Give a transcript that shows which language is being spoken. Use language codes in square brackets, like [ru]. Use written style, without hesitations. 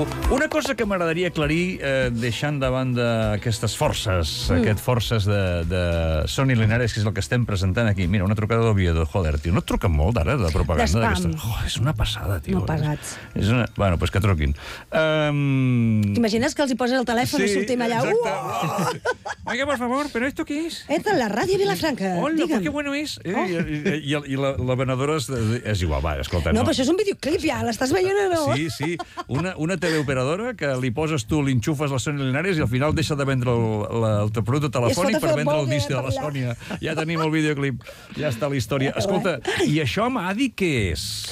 [ca] Una cosa que m'agradaria aclarir, deixant de banda aquestes forces, aquest forces de Sònia Linares, que és el que estem presentant aquí. Mira, una trucada d'Oviedo, joder, tio, no et truquen molt ara de propaganda d'aquesta? És una passada, tio. M'ha pagat. És una... Bueno, pues que truquin. T'imagines que els hi poses el telèfon i sortim allà? Exacte. [es] Oiga, por favor, ¿pero esto qué es? Esto es la radio Vilafranca. Hola, qué bueno es. Y la venedora es igual, [ca] va, escolta. No, però això és un videoclip, ja, l'estàs veient o no? Sí, sí. Una teleoperadora que li poses tu, li enxufes la Sònia Linares i al final deixa de vendre el teu producte telefònic per vendre el disc de la Sònia. Ja tenim el videoclip, ja està la història. Escolta, i això amb Adi què és?